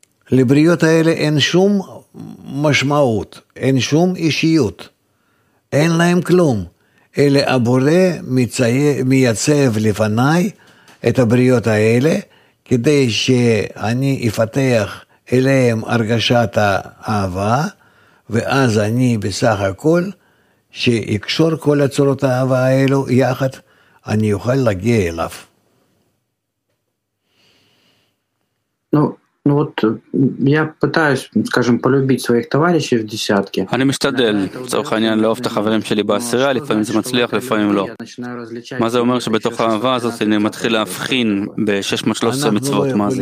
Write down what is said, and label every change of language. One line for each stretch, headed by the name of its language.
Hebrew: לבריאות האלה אין שום משמעות, אין שום אישיות, אין להם כלום, אלא הבורא מייצב לפניי את הבריאות האלה, כדי שאני אפתח אליהם הרגשת האהבה, ואז אני בסך הכל, שיקשור כל הצורות האהבה האלו יחד, אני אוכל להגיע אליו.
Russian: Ну вот я пытаюсь, скажем, полюбить своих товарищей в десятке.
Hebrew: אני משתדל, לצורך העניין, לאהוב את החברים שלי בעשירה, לפעמים זה מצליח, לפעמים לא. מה זה אומר שבתוך האהבה הזאת אני מתחיל להבחין ב-613 מצוות, מה זה?